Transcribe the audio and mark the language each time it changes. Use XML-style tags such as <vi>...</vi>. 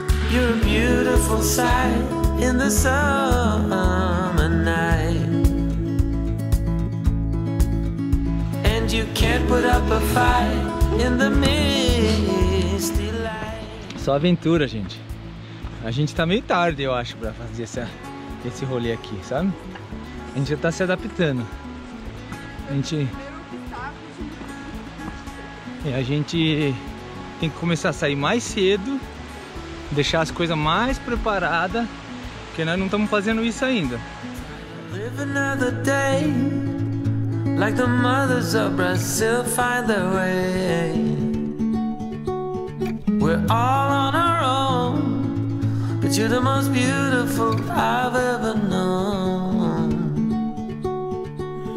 <en>You're a beautiful sight in the summer night. And you can't put up a fight in the misty light.</en> <pt>Só aventura, gente. A gente tá meio tarde, eu acho, pra fazer esse rolê aqui, sabe? A gente já tá se adaptando. A gente tem que começar a sair mais cedo, deixar as coisas mais preparadas, porque nós não estamos fazendo isso ainda.</pt> <en>Live another day, like the mothers of Brazil find their way. We're all on our own. But you're the most beautiful I've ever known.</en>